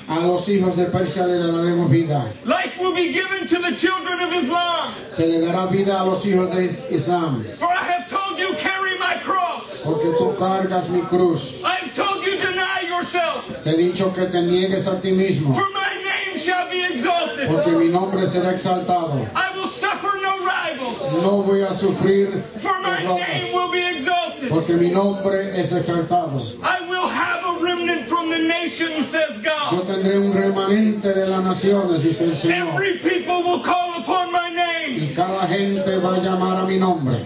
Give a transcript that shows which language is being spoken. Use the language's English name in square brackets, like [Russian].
[Spanish] A los hijos de Persia le daremos vida. [English] Life will be given to the children of Islam. [Spanish] Se le dará vida a los hijos de Islam. [English] For I have told you, carry my cross. [Spanish] Porque tú cargas mi cruz. [English] I've told you, deny yourself. [Spanish] Te he dicho que te niegues a ti mismo. [English] For my name shall be exalted. [Spanish] Porque mi nombre será exaltado. [English] I will suffer no rivals. [Spanish] No voy a sufrir. [English] For my name will be exalted. [Spanish] Porque mi nombre es exaltado. [English] I will have a remnant from the nations, says God. [Spanish] Yo tendré un remanente de las naciones, dice el Señor. [English] Every people will call upon my name. [Spanish] Y cada gente va a llamar a mi nombre.